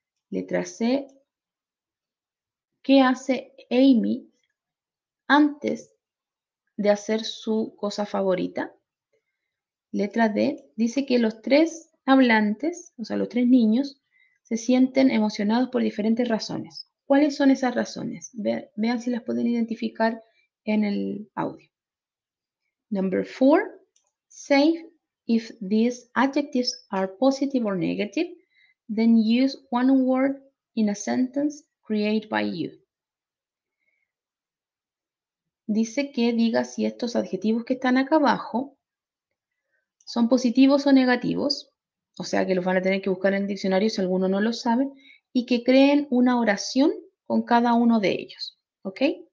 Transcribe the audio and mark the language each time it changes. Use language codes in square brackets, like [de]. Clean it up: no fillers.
[es] Letra C, ¿qué hace Amy antes de hacer su cosa favorita? Letra D, dice que los tres hablantes, o sea, los tres niños, se sienten emocionados por diferentes razones. ¿Cuáles son esas razones? Vean si las pueden identificar en el audio. [en] Number four, save. If these adjectives are positive or negative, then use one word in a sentence created by you. [es] Dice que diga si estos adjetivos que están acá abajo son positivos o negativos, o sea que los van a tener que buscar en el diccionario si alguno no lo sabe, y que creen una oración con cada uno de ellos, ¿ok?